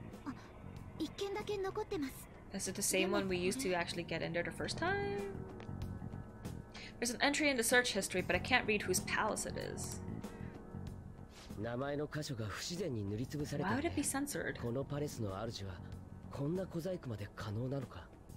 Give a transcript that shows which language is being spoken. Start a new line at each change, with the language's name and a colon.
Japanese: こいつも復活してるみたいだね。私何もあります。履歴はある。履歴どうやれば。あ、一件だけ残ってます。
English: Is it the same one we used to actually get in there the first time? There's an entry in the search history, but I can't read whose palace it is.
Japanese: 名前の箇所が不自然に塗りつぶされた。
English: Why would it be censored?
Japanese: このパレスの主はこんな小細工まで可能なのか。